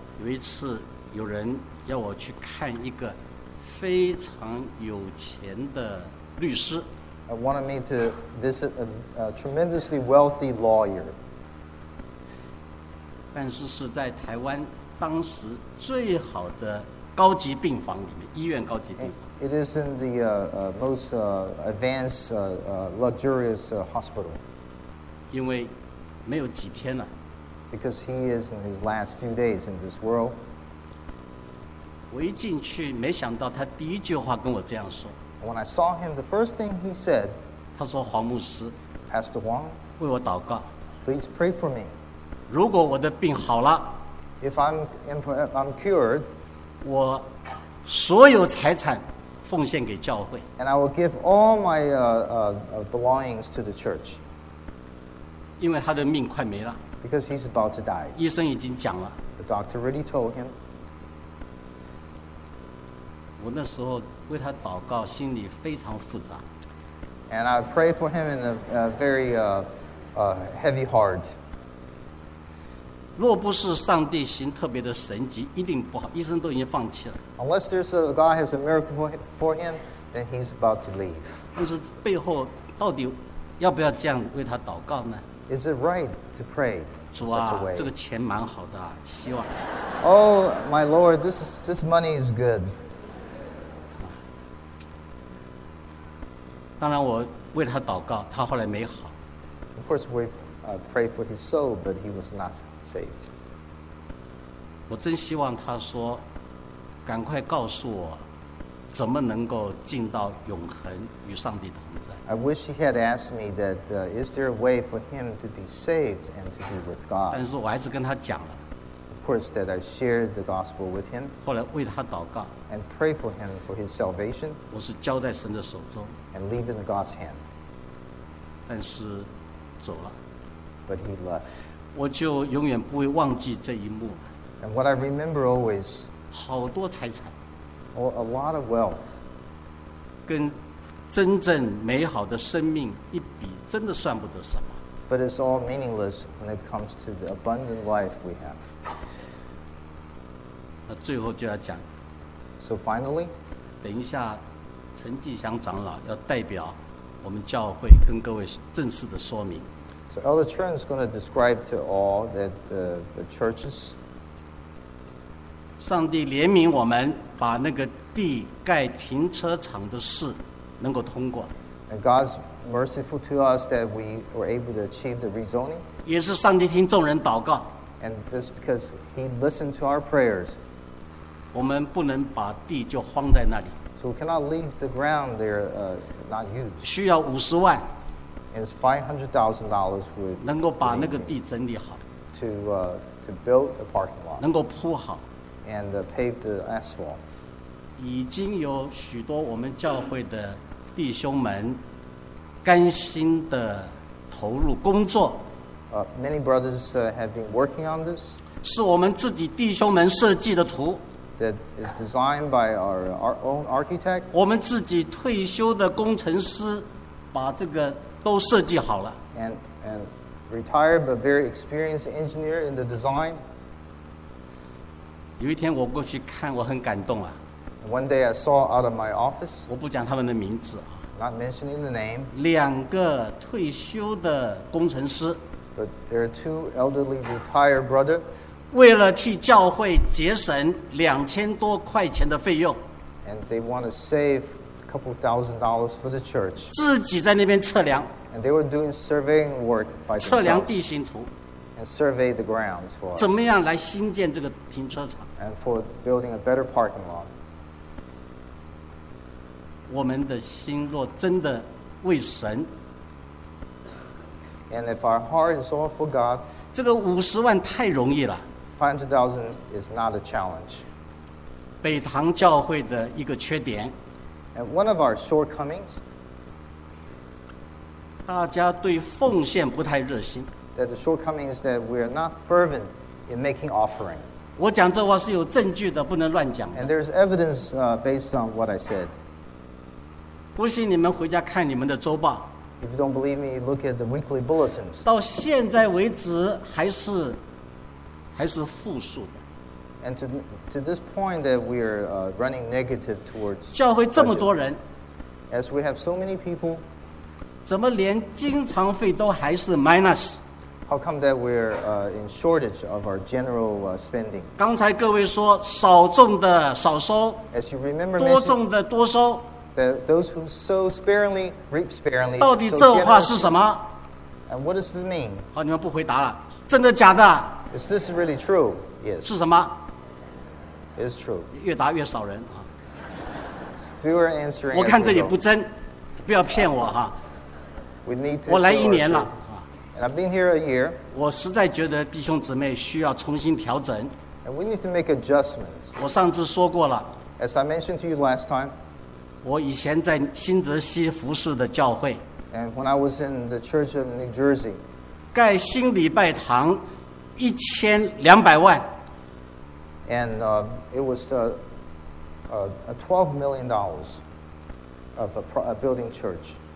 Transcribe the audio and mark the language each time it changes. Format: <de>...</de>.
<zh>有一次有人要我去看一个非常有钱的律师。</zh> <en>I wanted me to visit a tremendously wealthy lawyer.</en> <zh>但是是在台湾当时最好的。高级病房里面，医院高级病房。</zh> <en>It is in the most advanced, luxurious hospital.</en> <zh>因为没有几天了。</zh> <en>Because he is in his last few days in this world.</en> <zh>我一进去，没想到他第一句话跟我这样说。</zh> <en>When I saw him, the first thing he said.</en> <zh>他说：“黄牧师</zh> <en>，Pastor Wong，</en> <zh>为我祷告。</zh> <en>Please pray for me.</en> <zh>如果我的病好了</zh> <en>，If I'm cured.</en> <zh>我所有财产奉献给教会。</zh> <en>And I will give all my belongings to the church.</en> <zh>因为他的命快没了。</zh> <en>Because he's about to die.</en> <zh>医生已经讲了。</zh> <en>The doctor already told him.</en> <zh>我那时候为他祷告，心里非常复杂。</zh> <en>And I pray for him in a very heavy heart.</en> <zh>若不是上帝行特别的神迹，一定不好。医生都已经放弃了。</zh> <en>Unless there's a God has a miracle for him, then he's about to leave.</en> <zh>但是背后到底要不要这样为他祷告呢？</zh> <en>Is it right to pray?</en> <zh>主啊，这个钱蛮好的，希望。</zh> <en>Oh, my Lord, this money is good.</en> <zh>当然我为他祷告，他后来没好。</zh> <en>Of course, we pray for his soul, but he was not saved.</en> <zh>我真希望他说，赶快告诉我，怎么能够进到永恒与上帝同在。</zh> <en>I wish he had asked me that, is there a way for him to be saved and to be with God?</en> <zh>但是我还是跟他讲了。</zh> <en>Of course, that I shared the gospel with him.</en> <zh>后来为他祷告。</zh> <en>And pray for him for his salvation.</en> <zh>我是交在神的手中。</zh> <en>And leave in God's hand.</en> <zh>但是走了。</zh> <en>But he left.</en> <zh>我就永远不会忘记这一幕。</zh> <en>And what I remember always.</en> <zh>好多财产。</zh> <en>Or a lot of wealth.</en> <zh>跟真正美好的生命一比，真的算不得什么。</zh> <en>But it's all meaningless when it comes to the abundant life we have.</en> <zh>那最后就要讲。</zh> <en>So finally,</en> <zh>等一下，陈继祥长老要代表我们教会跟各位正式的说明。</zh> <en>So Elder Chern is going to describe to all that the churches.</en> <zh>上帝怜悯我们，把那个地盖停车场的事。能够通过。</zh> <en>And God's merciful to us that we were able to achieve the rezoning.</en> <zh>也是上帝听众人祷告。</zh> <en>And this because He listened to our prayers.</en> <zh>我们不能把地就荒在那里。</zh> <en>So we cannot leave the ground there not used.</en> <zh>需要五十万。</zh> <en>And it's $500,000 we</en> <zh>能够把那个地整理好。</zh> <en>To build a parking lot.</en> <zh>能够铺好。</zh> <en>And pave the asphalt.</en> <zh>已经有许多我们教会的弟兄们甘心的投入工作。</zh> <en>Many brothers have been working on this.</en> <zh>是我们自己弟兄们设计的图。</zh> <en>That is designed by our own architect.</en> <zh>我们自己退休的工程师把这个都设计好了。</zh> <en>And retired but very experienced engineer in the design.</en> <zh>有一天我过去看，我很感动啊。</zh> <en>One day I saw out of my office,</en> <zh>我不讲他们的名字啊。</zh> <en>Not mentioning the name.</en> <zh>两个退休的工程师。</zh> <en>But there are two elderly retired brother.</en> <zh>为了替教会节省2000多块钱的费用。</zh> <en>And they want to save a couple thousand dollars for the church.</en> <zh>自己在那边测量。</zh> <en>And they were doing surveying work by themselves.</en> <zh>测量地形图。</zh> <en>And survey the grounds for us.</en> <zh>怎么样来新建这个停车场。</zh> <en>And for building a better parking lot.</en> <zh>我们的心若真的为神</zh> <en>，and if our heart is all for God，</en> <zh>这个五十万太容易了。</zh> <en>500,000 is not a challenge。</en> <zh>北堂教会的一个缺点</zh> <en>，and one of our shortcomings，</en> <zh>大家对奉献不太热心。</zh> <en>That the shortcoming is that we are not fervent in making offering。</en> <zh>我讲这话是有证据的，不能乱讲的。</zh> <en>And there's evidence based on what I said。</en> <zh>不信你们回家看你们的周报。</zh> <en>If you don't believe me, look at the weekly bulletins.</en> <zh>到现在为止还是负数的。</zh> <en>And to this point that we are running negative towards.</en> <zh>教会这么多人。</zh> <en>As we have so many people.</en> <zh>怎么连经常费都还是 minus?</zh> <en>How come that we're in shortage of our general spending?</en> <zh>刚才各位说少种的少收。</zh> <en>As you remember,</en> <zh>多种的多收。</zh> <en>That those who sow sparingly reap sparingly.</en> <zh>到底这话是什么？</zh> <en>And what does this mean?</en> <zh>好，你们不回答了，真的假的？</zh> <en>Is this really true? Yes.</en> <zh>是什么？</zh> <en>It's true.</en> <zh>越答越少人啊。</zh> <en>Fewer answering.</en> <zh>我看这也不真，不要骗我哈。</zh> <en>We need to.</en> <zh>我来一年了</zh> <en>啊。And I've been here a year.</en> <zh>我实在觉得弟兄姊妹需要重新调整。</zh> <en>And we need to make adjustments.</en> <zh>我上次说过了。</zh> <en>As I mentioned to you last time.</en> <zh>我以前在新泽西服事的教会</zh> <en>and when I was in the church of New Jersey</en> <zh>盖新礼拜堂1200万</zh> <en>and it was a $12 million of a building church</en>